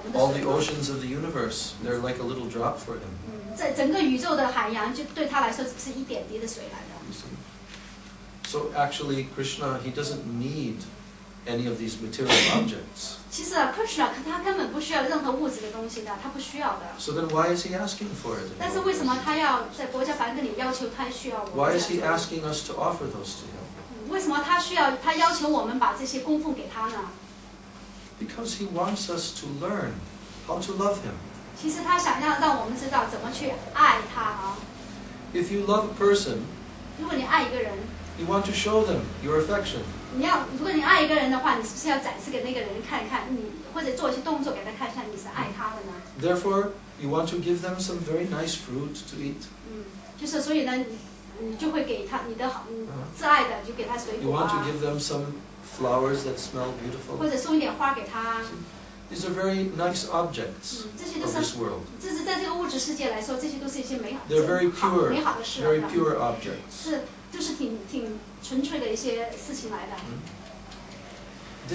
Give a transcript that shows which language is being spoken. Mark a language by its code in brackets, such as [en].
[en] All the oceans of the universe, they're like a little drop for him. [zh] 整个宇宙的海洋就对他来说只是一点滴的水来的。 [en] So actually, Krishna, he doesn't need any of these material objects. [zh] 其实啊, Krishna, 他根本不需要任何物质的东西的，他不需要的。 [en] So then why is he asking for it? [zh] 但是为什么他要在国家梵跟里要求他需要？ [en] Why is he asking us to offer those to him? [zh] 为什么他要求我们把这些供奉给他呢？ [en] Because he wants us to learn how to love him. [zh] 其实他想要让我们知道怎么去爱他啊。 [en] If you love a person, [zh] 如果你爱一个人, [en] you want to show them your affection. [zh] 如果你爱一个人的话，你是不是要展示给那个人看看，或者做一些动作给他看一下，你是爱他的呢？ [en] Therefore, you want to give them some very nice fruit to eat. [zh] 就是所以呢，你就会给他你的好，挚爱的，就给他水果啊。 [en] You want to give them some flowers that smell beautiful. [zh] 或者送一点花给他。 [en] These are very nice objects of this world. [zh] 这是在这个物质世界来说，这些都是一些美好。 [en] They're very pure, very pure objects. [zh] 是，就是挺纯粹的一些事情来的。